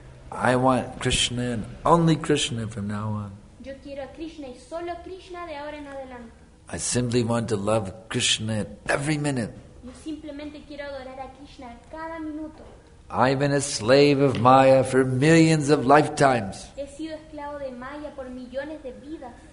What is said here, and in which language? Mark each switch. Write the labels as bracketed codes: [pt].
[en] I want Krishna and only Krishna from now on. [es] Yo quiero a Krishna y solo Krishna de ahora en adelante. [en] I simply want to love Krishna every minute. [es] Yo simplemente quiero adorar a Krishna cada minuto. [en] I've been a slave of Maya for millions of lifetimes. [es] He sido esclavo de Maya por millones de vidas.